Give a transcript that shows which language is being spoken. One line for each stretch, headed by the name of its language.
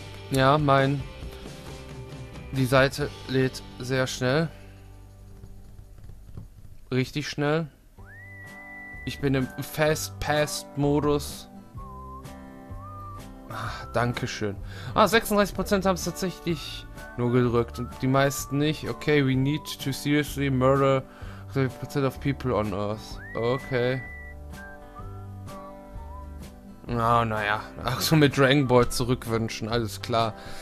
German: Ja, mein. Die Seite lädt sehr schnell. Richtig schnell. Ich bin im Fast-Pass-Modus. Ach, dankeschön. Ah, 36% haben es tatsächlich nur gedrückt und die meisten nicht.
English: Okay, we need to seriously murder 30% of people on Earth. Okay.
German: Oh, naja. Ach so, mit Dragon Ball zurückwünschen, alles klar.